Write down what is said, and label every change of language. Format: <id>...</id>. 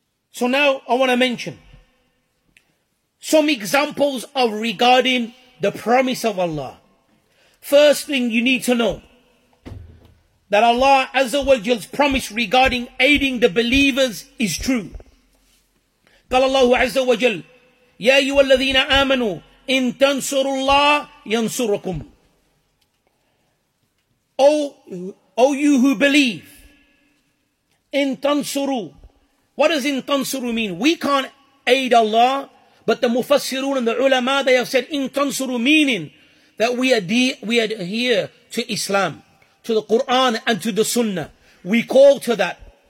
<en>So now I want to mention some examples of regarding the promise of Allah. First thing you need to know, that Allah Azza wa Jal's promise regarding aiding the believers is true.</en> <ar>قال الله عز وجل يا أيها الذين آمنوا إن تنصروا الله ينصركم.</ar> <en>O you who believe,</en> <ar>إن تنصروا.</ar> <en>What does in tansuru mean? We can't aid Allah. But the mufassirun and the ulama, they have said, in tansuru, meaning that we adhere to Islam, to the Quran and to the Sunnah. We call to that.</en>